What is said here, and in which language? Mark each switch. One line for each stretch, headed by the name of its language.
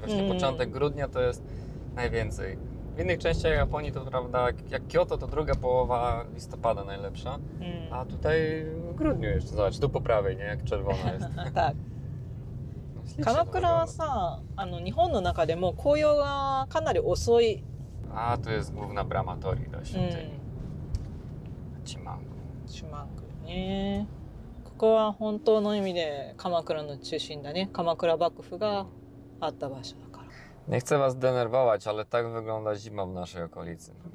Polish: Właśnie początek grudnia to jest najwięcej. W innych częściach Japonii to prawda, jak Kyoto, to druga połowa listopada najlepsza. A tutaj w grudniu jeszcze, zobacz, tu po prawej, nie? Jak czerwona jest. Tak.
Japanese: Kamakura sa, Nihon no naka demo koyo ga kanari osoi.
Polish: A tu jest główna brama Tori do świątyni. Chimangu.
Japanese: ここは本当の意味で鎌倉の中心だね。鎌倉幕府があった場所だから。
Polish: Nie chcę was denerwować, ale tak wygląda zima w naszej okolicy.